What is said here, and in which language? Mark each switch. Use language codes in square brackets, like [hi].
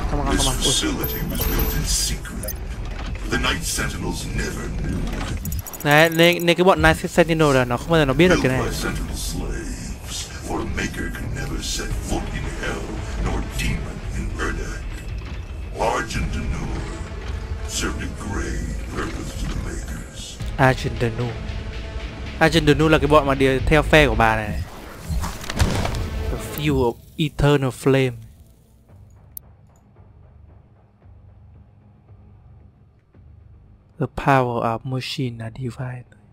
[en] This facility was built in secret. The Night Sentinels never knew it. [vi] Này, nên cái bọn Night Sentinel là nó không bao giờ nó biết được cái này. [en] Built by Sentinel slaves, for a maker can never set foot in hell, nor demon in Erdak. Argent Danur served a great purpose to the makers. Argent Danur. [vi] Argent Danur là cái bọn mà đi theo phe của bà này. [en] The fuel of eternal flame. The power of machine are divine.